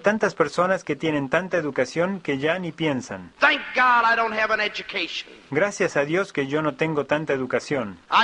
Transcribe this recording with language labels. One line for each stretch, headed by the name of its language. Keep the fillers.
Spanish: tantas personas que tienen tanta educación que ya ni piensan.
English: Thank God I don't have an education.
Spanish: Gracias a Dios que yo no tengo tanta educación.